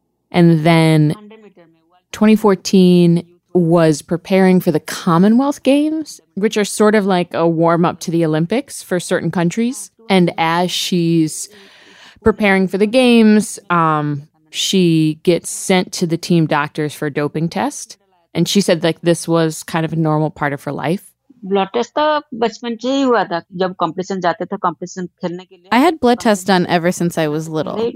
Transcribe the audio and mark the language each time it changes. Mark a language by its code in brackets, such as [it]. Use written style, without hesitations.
[en] And then 2014 was preparing for the Commonwealth Games, which are sort of like a warm-up to the Olympics for certain countries. And as she's preparing for the games, she gets sent to the team doctors for a doping test. And she said like this was kind of a normal part of her life. Blood test [hi] त बचपन से ही हुआ था जब competition जाते थे competition खेलने के लिए. [en] I had blood tests done ever since I was little.